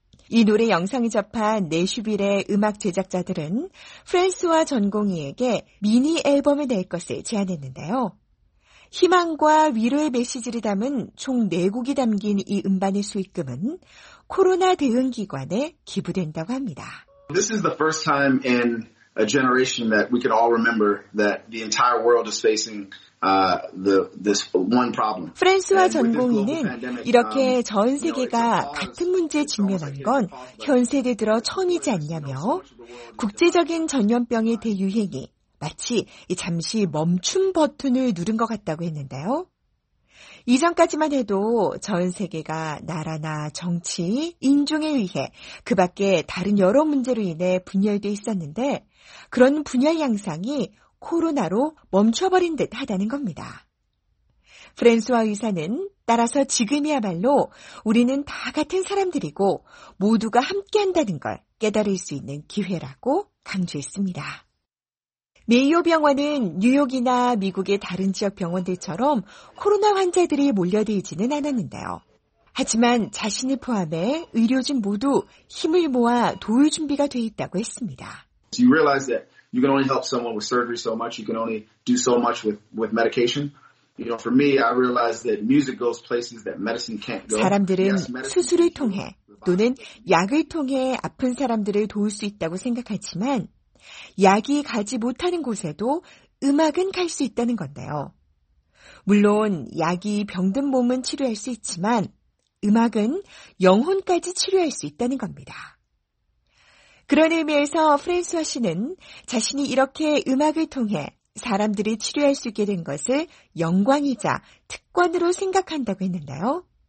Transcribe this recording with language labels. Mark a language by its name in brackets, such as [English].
[Korean] 이 노래 영상을 접한 내슈빌의 음악 제작자들은 프랜스와 전공의에게 미니 앨범을 낼 것을 제안했는데요. 희망과 위로의 메시지를 담은 총 4곡이 담긴 이 음반의 수익금은 코로나 대응 기관에 기부된다고 합니다. [English] This is the first time in a generation that we could all remember that the entire world is facing this one problem. [Korean] 프랜스와 전공의는 이렇게 전 세계가 같은 문제에 직면한 건 현 세대 들어 처음이지 않냐며 국제적인 전염병의 대유행이 마치 잠시 멈춤 버튼을 누른 것 같다고 했는데요. 이전까지만 해도 전 세계가 나라나 정치, 인종에 의해 그 밖에 다른 여러 문제로 인해 분열돼 있었는데 그런 분열 양상이 코로나로 멈춰버린 듯 하다는 겁니다. 프랜수아 의사는 따라서 지금이야말로 우리는 다 같은 사람들이고 모두가 함께한다는 걸 깨달을 수 있는 기회라고 강조했습니다. 메이오 병원은 뉴욕이나 미국의 다른 지역 병원들처럼 코로나 환자들이 몰려들지는 않았는데요. 하지만 자신을 포함해 의료진 모두 힘을 모아 도울 준비가 돼 있다고 했습니다. [English] Do you realize that? You can only help someone with surgery so much. You can only do so much with medication. You know, for me, I realized that music goes places that medicine can't go. [Korean] 사람들은 수술을 통해 또는 약을 통해 아픈 사람들을 도울 수 있다고 생각하지만 약이 가지 못하는 곳에도 음악은 갈 수 있다는 건데요. 물론 약이 병든 몸은 치료할 수 있지만 음악은 영혼까지 치료할 수 있다는 겁니다. 그런 의미에서 프랑스와 씨는 자신이 이렇게 음악을 통해 사람들이 치료할 수 있게 된 것을 영광이자 특권으로 생각한다고 했는데요.